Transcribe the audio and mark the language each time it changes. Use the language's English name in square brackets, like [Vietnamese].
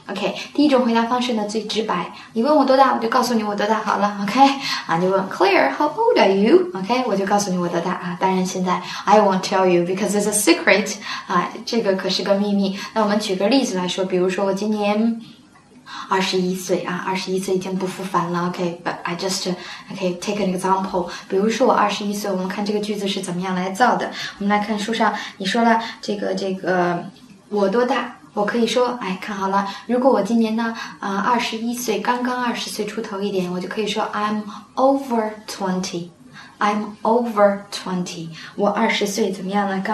[Chinese] okay, 第一种回答方式呢最直白，你问我多大我就告诉你我多大好了。 okay, 你问 Claire, [English] how old are you? [Chinese] okay, 我就告诉你我多大当然现在 [English] I won't tell you because it's a secret, [Chinese] 这个可是个秘密。那我们举个例子来说，比如说我今年21岁21岁已经不复返了。 [English] OK, but I just okay, take an example. [Chinese] 比如说我21岁，我们看这个句子是怎么样来造的。我们来看书上，你说了这个我多大，我可以说看好了，如果我今年呢21岁，刚刚20岁出头一点，我就可以说 [English] I'm over 20, [Chinese] 我20岁怎么样呢？